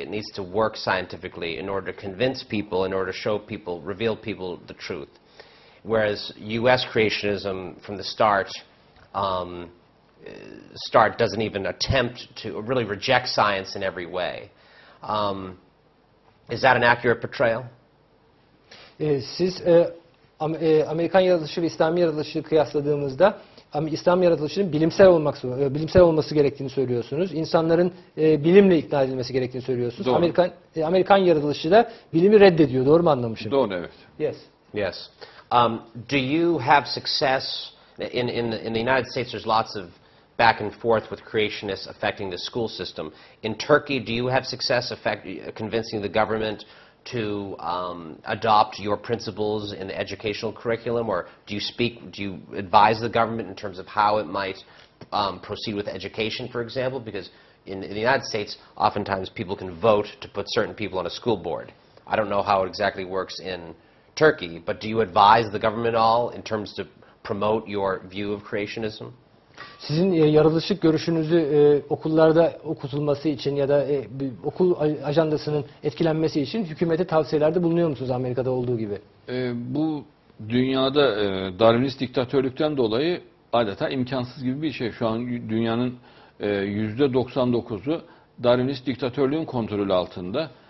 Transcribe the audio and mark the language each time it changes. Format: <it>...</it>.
<en>It needs to work scientifically in order to convince people, in order to show people, reveal people the truth. Whereas U.S. creationism from the start doesn't even attempt to really reject science in every way. Is that an accurate portrayal?</en> <tr>Siz Amerikan yaratılışı ve İslam yaratılışı kıyasladığımızda İslam yaratılışının bilimsel olması gerektiğini söylüyorsunuz. İnsanların bilimle ikna edilmesi gerektiğini söylüyorsunuz. Doğru. Amerikan yaratılışı da bilimi reddediyor. Doğru mu anlamışım? Doğru, evet.</tr> <en>Yes. Yes. Do you have success in the United States? There's lots of back and forth with creationists affecting the school system. In Turkey, do you have success convincing the government to adopt your principles in the educational curriculum, or do you advise the government in terms of how it might proceed with education, for example? Because in the United States, oftentimes people can vote to put certain people on a school board. I don't know how it exactly works in Turkey, but do you advise the government at all in terms to promote your view of creationism?</en> <tr>Sizin yaratılışçılık görüşünüzü okullarda okutulması için ya da okul ajandasının etkilenmesi için hükümete tavsiyelerde bulunuyor musunuz Amerika'da olduğu gibi? Bu dünyada Darwinist diktatörlükten dolayı adeta imkansız gibi bir şey. Şu an dünyanın %99'u Darwinist diktatörlüğün kontrolü altında.</tr>